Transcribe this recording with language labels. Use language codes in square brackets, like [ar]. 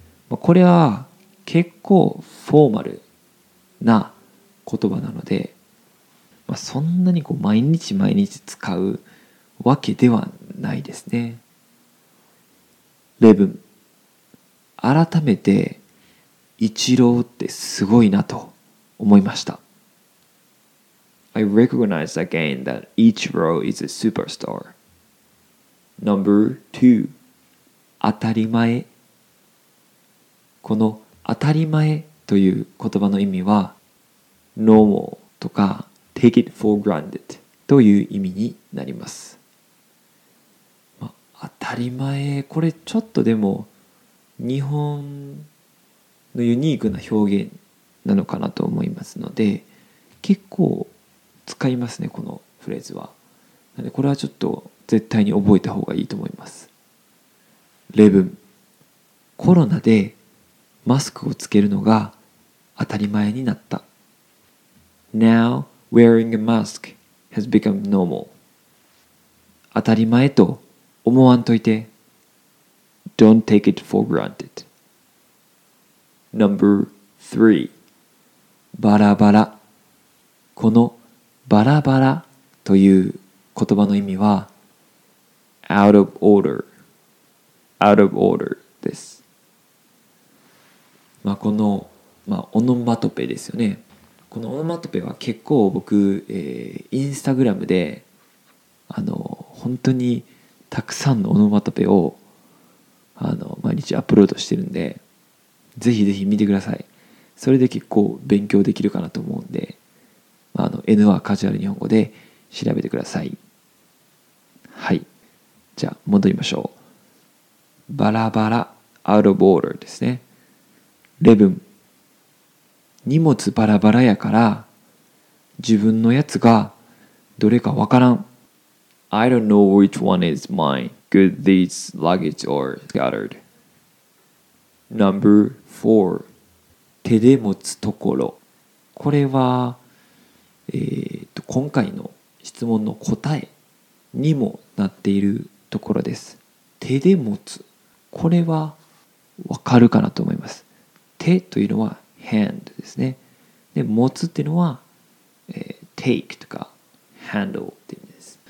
[ja] これは結構フォーマルな言葉なので、まあ、そんなにこう毎日毎日使うわけではないですね。例文。改めてイチローってすごいなと思いました。 [en] I recognize again that Ichiro is a superstar. Number two. [ja] 当たり前。この当たり前という言葉の意味はNormal とか [en] Take it for granted [ja] という意味になります。まあ、当たり前、これちょっとでも日本のユニークな表現なのかなと思いますので、結構使いますね、このフレーズは。なんでこれはちょっと絶対に覚えた方がいいと思います。例文。コロナでマスクをつけるのが当たり前になった。 [en] Now, wearing a mask has become normal. [ja] 当たり前と思わんといて。 [en] Don't take it for granted. Number three. [ja] バラバラ。このバラバラという言葉の意味は [en] out of order. Out of order です。 [ja] まあ、この、まあ、オノマトペですよね。このオノマトペは結構僕、インスタグラムで、本当にたくさんのオノマトペを、毎日アップロードしてるんで、ぜひぜひ見てください。それで結構勉強できるかなと思うんで、N はカジュアル日本語で調べてください。はい。じゃあ、戻りましょう。バラバラ、 [en] out of order [ja] ですね。レブン。荷物バラバラやから自分のやつがどれかわからん。 [en] I don't know which one is mine. Good these luggage are scattered. Number four. [ja] 手で持つところ。これは、今回の質問の答えにもなっているところです。手で持つ、これはわかるかなと思います。手というのはhand ですね。で、持つっていうのは、take とか handle っていう意味です。